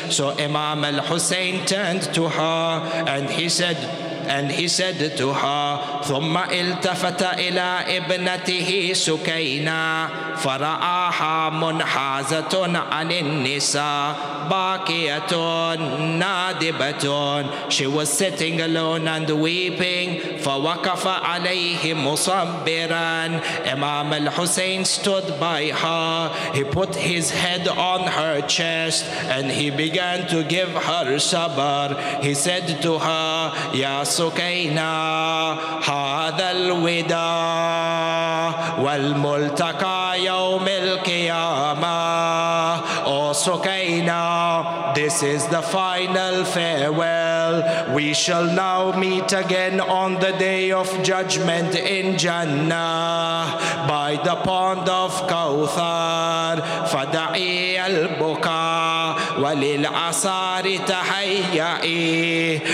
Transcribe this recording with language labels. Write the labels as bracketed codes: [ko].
[en] So Imam al-Hussein turned to her and he said to her, [ar] ثم التفت إلى ابنته سكينة فرآها منحازة عن النساء باكية نادبة. [en] She was sitting alone and weeping. [ar] فوقف عليه مصبرا. [en] Imam al-Hussein stood by her. He put his head on her chest and he began to give her sabr. He said to her, [ar] يا سكينة هذا الوداع والملتقى يوم القيامة. [en] O Sukaina, this is the final farewell. We shall now meet again on the day of judgment in Jannah by the pond of Kauthar. [ar] Fada'i al-buka walil-asari tahayya'i.